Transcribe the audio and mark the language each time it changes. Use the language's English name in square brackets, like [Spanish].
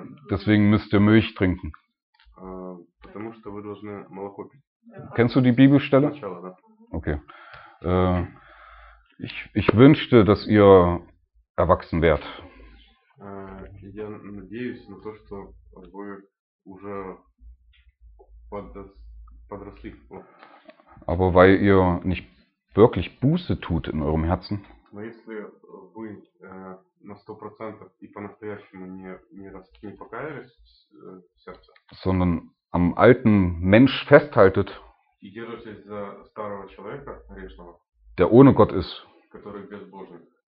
[German] Deswegen müsst ihr Milch trinken. [Russian] Потому что вы должны молоко пить. [German] Kennst du die Bibelstelle? [Russian] Сначала, да. Okay. [German] Ich wünschte, dass ihr erwachsen werdet. [Russian] Я надеюсь на то, что вы уже подросли. [German] Aber weil ihr nicht wirklich Buße tut in eurem Herzen, [Russian] но если вы на 100% и по-настоящему не покаялись в сердце, [German] sondern am alten Mensch festhaltet, [Russian] и держитесь за старого человека грешного, [German] der ohne Gott ist, [Russian] который безбожен,